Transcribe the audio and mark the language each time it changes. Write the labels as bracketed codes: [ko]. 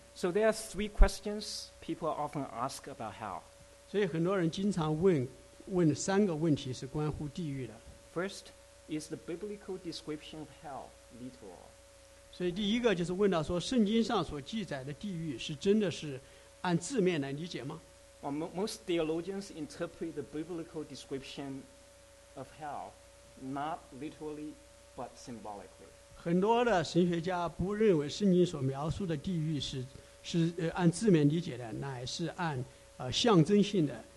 [en] So there are three questions people often ask about hell, [zh] 所以很多人经常问三个问题是关乎地狱的。 [en] First, is the biblical description of hell literal? [zh] 所以第一个就是问到说，圣经上所记载的地狱是真的是按字面来理解吗 [en] ？Well, most theologians interpret the biblical description of hell not literally but symbolically. [zh] 很多的神学家不认为圣经所描述的地狱是按字面理解的，乃是按象征性的。